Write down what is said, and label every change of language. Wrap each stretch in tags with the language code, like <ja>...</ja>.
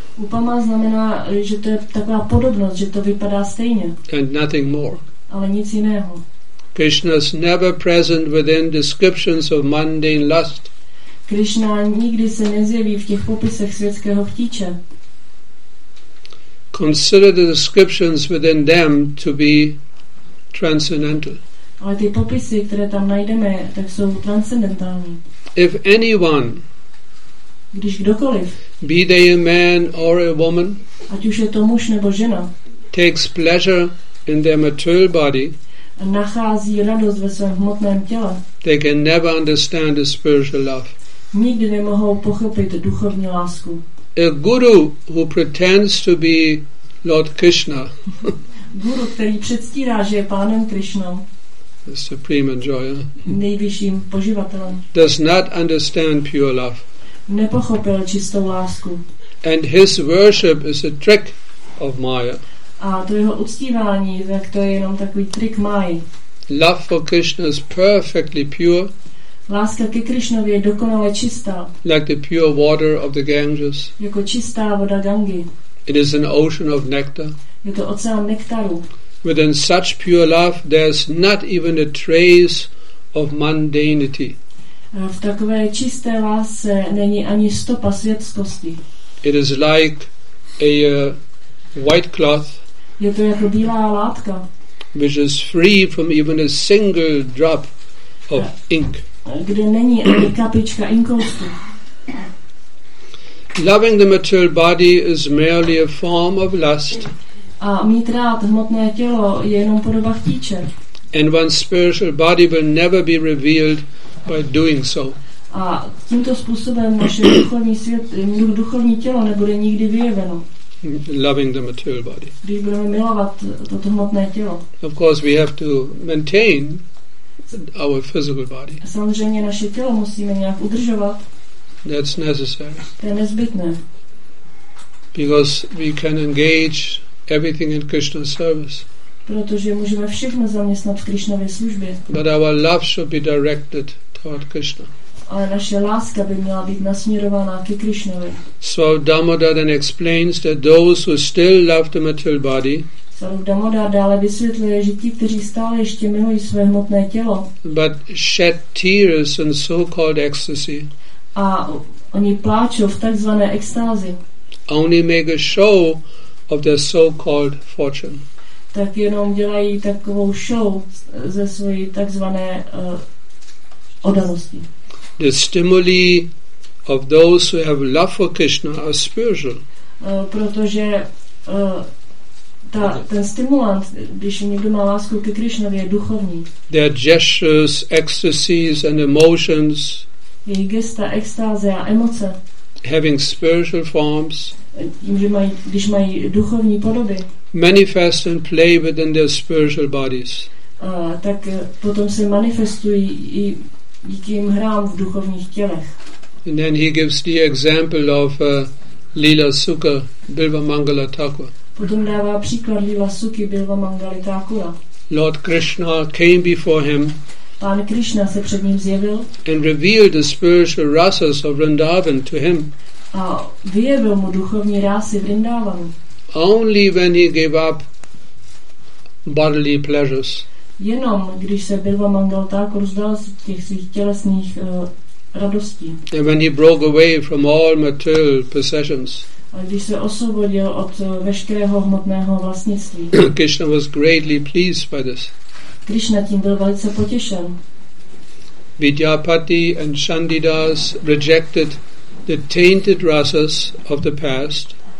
<cs>Upama znamená, že to je taková podobnost, že to vypadá stejně.</cs> <en>And nothing more.</en> <cs>Ale nic jiného.</cs> <en>Krishna is never present within descriptions of mundane lust.</en> <cs>Krishna nikdy se nezjeví v těch popisech světského chtíče.</cs> <en>Consider the descriptions within them to be transcendental.</en> <cs>Ale ty popisy, které tam najdeme, tak jsou transcendentální.</cs> <en>If anyone,</en> <cs>když kdokoliv,</cs> <en>be they a man or a woman,</en> <cs>ať už je to muž nebo žena,</cs> <en>takes pleasure in their material body,</en> <cs>a nachází radost ve svém hmotném těle,</cs> <en>they can never understand the spiritual love.</en> <cs>Nikdy nemohou pochopit duchovní lásku.</cs> <en>A guru who pretends to be Lord Krishna,</en> <cs>guru, který předstírá, že je pánem Krishna,</cs> <en>the supreme enjoyer,</en> <cs>nejvyšším poživatelem,</cs> <en>does not understand pure love.</en> <cs>Nepochopil čistou lásku.</cs> <en>And his worship is a trick of Maya.</en> <cs>A to jeho uctívání, tak to je jenom takový trik Máji.</cs> <en>Love for Krishna is perfectly pure.</en> <cs>Láska ke Krišnovi je dokonale čistá.</cs> <en>Like the pure water of the Ganges.</en> <cs>Jako čistá voda Gangy.</cs> <en>It is an ocean of nectar.</en> <cs>Je to oceán nektaru.</cs> <en>within such pure love there's not even a trace of mundanity.</en> <cs>V takové čisté lásce není ani stopa světskosti.</cs> <en>It is like a white cloth.</en> <cs>Je to jako bílá látka.</cs> <en>Which is free from even a single drop of ink.</en> <cs>Kde není ani kapička inkoustu.</cs> <en>Loving the material body is merely a form of lust.</en> <cs>A mít rád hmotné tělo je jenom podoba chtíče.</cs> <en>And one's spiritual body will never be revealed by doing so.</en> <cs>A tímto způsobem naše duchovní svět, duchovní tělo nebude nikdy vyjeveno.</cs> <en>Loving the material body.</en> <cs>Když budeme milovat toto hmotné tělo.</cs> <en>Of course we have to maintain our physical body.</en> <cs>Samozřejmě naše tělo musíme nějak udržovat.</cs> <en>That's necessary.</en> <cs>To je nezbytné.</cs> <en>Because we can engage everything in Krishna's service.</en> <cs>Protože můžeme všechno zaměstnat v Krishnově službě.</cs> <en>But our love should be directed toward Krishna.</en> <cs>Ale naše láska by měla být nasměrovaná ke Krishnovi.</cs> <en>So Damodar then explains that those who still love the material body.</en> <cs>Svarup Damodar dále vysvětluje, že ti, kteří stále ještě milují své hmotné tělo.</cs> <en>But shed tears in so-called ecstasy.</en> <cs>A oni pláčou v takzvané extázi.</cs> <en>Only make a show of their so-called fortune.</en> <cs>Tak jenom dělají takovou show ze své takzvané odanosti.</cs> <en>The stimuli of those who have love for Krishna are spiritual.</en> <cs>Protože ten stimulant, když někdo má lásku ke Krishnovi, je duchovní.</cs> <en>Their gestures, ecstasies and emotions.</en> <cs>Její gesta, extáze a emoce.</cs> <en>Having spiritual forms.</en> <cs>Tím, že mají, když mají duchovní podoby.</cs> <en>Manifest and play within their spiritual bodies.</en> <cs>Tak potom se manifestují i díky jim hrám v duchovních tělech.</cs> <en>And then he gives the example of Lila Sukha Bilva Mangala Thakura.</en> <cs>Potom dává příklad Lila Sukhi Bilva Mangali Thakura.</cs> <en>Lord Krishna came before him.</en> <cs>Pán Krishna se před ním zjevil.</cs> <en>And revealed the spiritual rasas of Vrindavan to him.</en> <cs>A vyjevil mu duchovní rasy Vrindavanu.</cs> <en>Only when he gave up bodily pleasures.</en> <cs>Jenom když se Bilva Mangala Thakura vzdal z těch svých tělesných radostí.</cs> <en>And when he broke away from all material possessions.</en> <cs>A když se osvobodil od veškerého hmotného vlastnictví.</cs> <en>Krishna was greatly pleased by this.</en> <cs>Krishna tím byl velice potěšen.</cs> <en>Vidyapati and Chandidas rejected the tainted rasas of the past.</en>